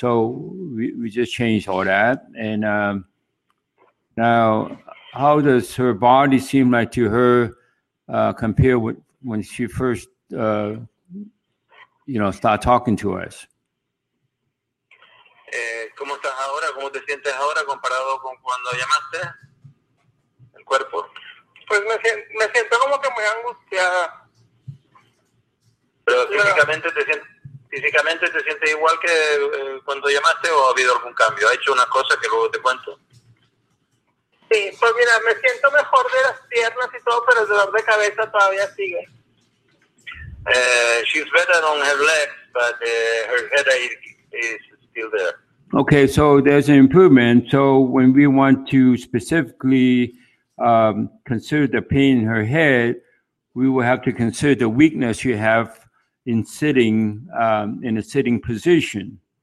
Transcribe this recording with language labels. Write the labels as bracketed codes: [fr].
[en] So we just changed all that. And now, how does her body seem like to her compared with when she first, you know, start talking to us? [es] ¿Cómo estás ahora? ¿Cómo te sientes ahora comparado con cuando llamaste? El cuerpo. Pues me siento como que muy angustiada. ¿Pero físicamente, físicamente te sientes igual que cuando llamaste o ha habido algún cambio? ¿Ha hecho una cosa que luego te cuento? Sí, pues mira, me siento mejor de las piernas y todo, pero el dolor de cabeza todavía sigue. [en] She's better on her legs, but her headache is still there. Okay, so there's an improvement. So when we want to specifically consider the pain in her head, we will have to consider the weakness you have in sitting, in a sitting position.